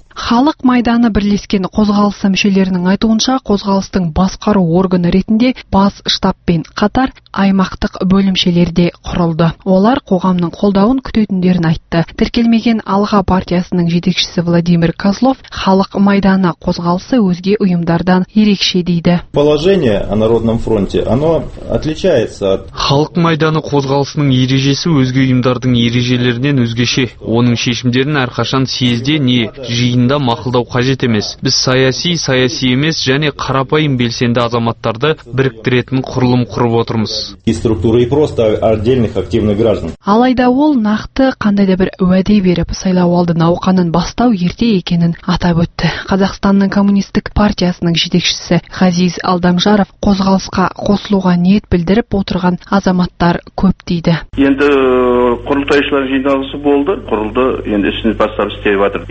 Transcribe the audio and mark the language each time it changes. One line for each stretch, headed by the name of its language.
Kazakh: Халық майданы бірлескен қозғалысы мүшелерінің айтуынша, қозғалыстың басқару органы ретінде бас штабпен қатар аймақтық бөлімшелерде құрылды. Олар қоғамның қолдауын күтетіндерін айтты. Тіркелмеген Алға партиясының жетекшісі Владимир Козлов халық майданы қозғалысы өзге ұйымдардан ерекше дейді.
Russian: Положение о народном фронте, оно отличается от
Kazakh: Халық майданы қозғалысының ережесі өзге ұйымдардың ережелерінен өзгеше. Оның шешімдерін әрқашан съезде не жиында мақұлдау қажет емес. Біз саяси емес және қарапайым белсенді азаматтарды біріктіретін құрылым құрып отырмыз.
Russian: Структура и просто отдельных активных граждан.
Kazakh: Алайда ол нақты қандай да бір уәде беріп, сайлау алды науқанын бастау ерте екенін атап өтті. Қазақстанның коммунистік партиясының жетекшісі Хазиз Алдамжаров қозғалысқа қосылуға ниет білдіріп отырған азаматтар көп дейді. Енді құрылтайшылар жиналысы болды, құрылды, енді ісін бастап істеп жатыр.